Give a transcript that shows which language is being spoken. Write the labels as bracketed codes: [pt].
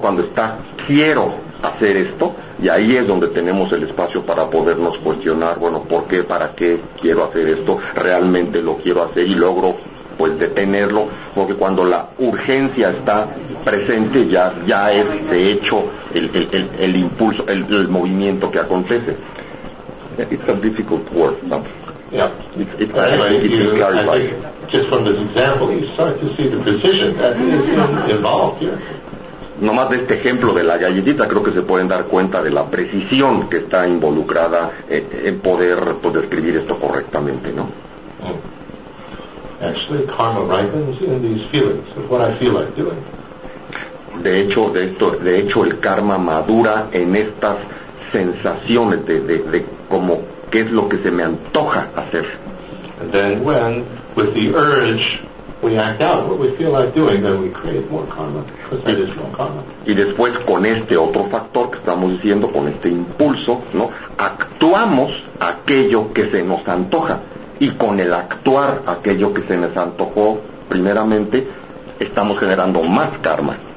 [es] Cuando está, quiero hacer esto, y ahí es donde tenemos el espacio para podernos cuestionar, bueno, ¿por qué, para qué quiero hacer esto? Realmente lo quiero hacer y logro, pues, detenerlo, porque cuando la urgencia está presente, ya es, de hecho, el impulso, el movimiento que acontece. [en] It's a difficult word, but... Yeah. Just from this example, you start to see the precision that is involved here. [es] Nomás de este ejemplo de la galletita creo que se pueden dar cuenta de la precisión que está involucrada en poder describir esto correctamente, ¿no? [en] Actually, karma ripens in these feelings of what I feel like doing. [es] De hecho, el karma madura en estas sensaciones de como qué es lo que se me antoja hacer. [en] And then when with the urge we act out what we feel like doing, then we create more karma, because that is more karma. [es] Y después con este otro factor que estamos diciendo, con este impulso, ¿no? Actuamos aquello que se nos antoja. Y con el actuar aquello que se nos antojó primeramente, estamos generando más karma.